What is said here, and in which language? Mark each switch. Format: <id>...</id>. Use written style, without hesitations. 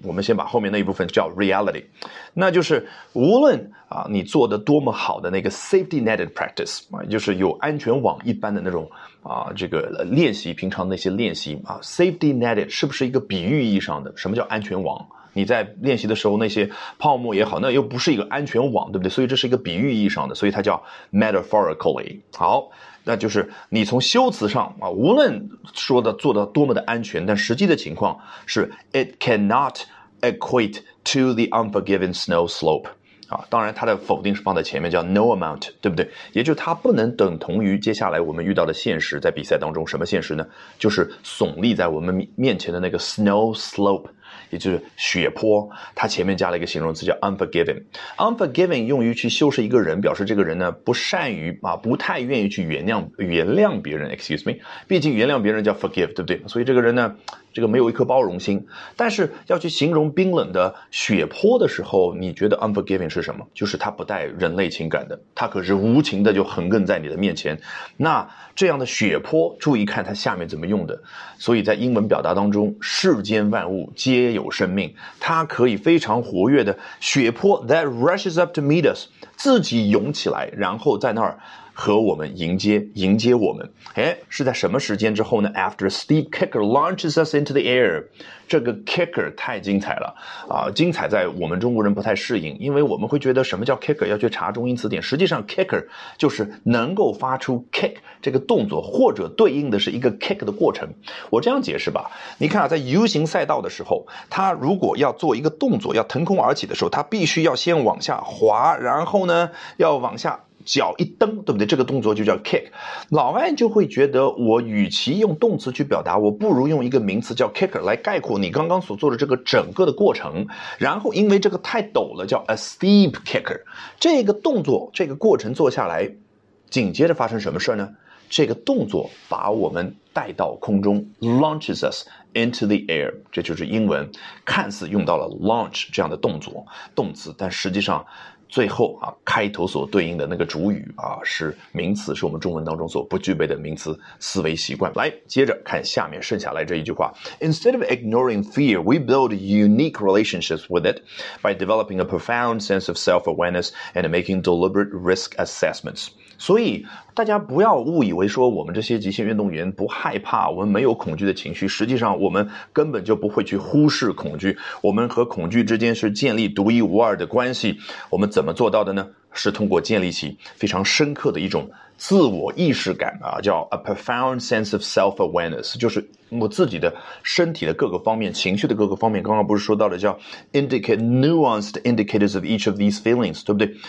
<zh>我们先把后面那一部分叫 reality， 那就是无论你做的多么好的那个</zh> <en>safety netted practice，</en> <zh>就是有安全网一般的那种这个练习，平常那些练习</zh> <en>safety netted</en> <zh>是不是一个比喻意义上的？什么叫安全网？你在练习的时候那些泡沫也好，那又不是一个安全网，对不对？所以这是一个比喻意义上的，所以它叫 metaphorically。好，那就是你从修辞上无论说的做的多么的安全，但实际的情况是</zh> <en>it cannot equate to the unforgiving snow slope.</en> <zh>啊，当然它的否定是放在前面，叫</zh> <en>no amount，</en> <zh>对不对？也就它不能等同于接下来我们遇到的现实，在比赛当中什么现实呢？就是耸立在我们面前的那个 snow slope， 也就是雪坡，它前面加了一个形容词叫 unforgiving。 unforgiving 用于去修饰一个人，表示这个人呢不善于啊，不太愿意去原谅别人，</zh> <en>excuse me，</en> <zh>毕竟原谅别人叫 forgive， 对不对？所以这个人呢，这个没有一颗包容心。但是要去形容冰冷的雪坡的时候，你觉得 unforgiving 是什么？就是它不带人类情感的，它可是无情的就横亘在你的面前。那这样的雪坡，注意看它下面怎么用的。所以在英文表达当中，世间万物皆有生命，它可以非常活跃的雪坡</zh> <en>that rushes up to meet us，</en> <zh>自己涌起来，然后在那儿和我们迎接我们。诶，是在什么时间之后呢？</zh> <en>After a steep kicker launches us into the air。</en> <zh>这个 kicker 太精彩了精彩在我们中国人不太适应，因为我们会觉得什么叫 kicker， 要去查中英词典。实际上 kicker 就是能够发出 kick 这个动作，或者对应的是一个 kick 的过程。我这样解释吧，你看在 U 型赛道的时候，它如果要做一个动作，要腾空而起的时候，它必须要先往下滑，然后呢要往下脚一蹬，对不对？这个动作就叫 kick。老外就会觉得，我与其用动词去表达，我不如用一个名词叫 kicker 来概括你刚刚所做的这个整个的过程。然后因为这个太陡了，叫</zh> <en>a steep kicker。</en> <zh>这个动作，这个过程做下来，紧接着发生什么事呢？这个动作把我们带到空中，</zh> <en>launches us into the air。</en> <zh>这就是英文看似用到了 launch 这样的动作动词，但实际上最后啊，开头所对应的那个主语啊，是名词，是我们中文当中所不具备的名词思维习惯。来，接着看下面剩下来这一句话。</zh> <en>Instead of ignoring fear, we build unique relationships with it by developing a profound sense of self-awareness and making deliberate risk assessments.</en> <zh>所以大家不要误以为说我们这些极限运动员不害怕，我们没有恐惧的情绪，实际上我们根本就不会去忽视恐惧，我们和恐惧之间是建立独一无二的关系。我们怎么做到的呢？是通过建立起非常深刻的一种自我意识感啊，叫</zh> <en>a profound sense of self-awareness，</en> <zh>就是我自己的身体的各个方面，情绪的各个方面，刚刚不是说到的叫</zh> <en>indicate nuanced indicators of each of these feelings，</en> <zh>对不对？</zh>